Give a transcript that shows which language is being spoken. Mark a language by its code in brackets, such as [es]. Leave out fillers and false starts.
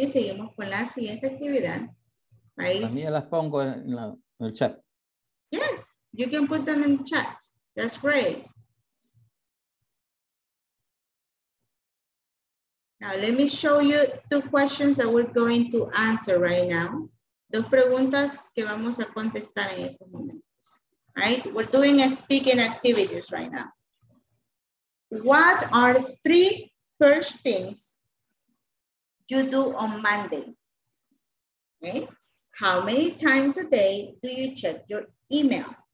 [es] Seguimos con la siguiente actividad. [en] Right? [es] Las pongo en el chat. [en] Yes, you can put them in the chat. That's great. Now let me show you two questions that we're going to answer right now. [es] Dos preguntas que vamos a contestar en este momento. [en] Right, we're doing a speaking activities right now. What are the three first things you do on Mondays? Okay, how many times a day do you check your email?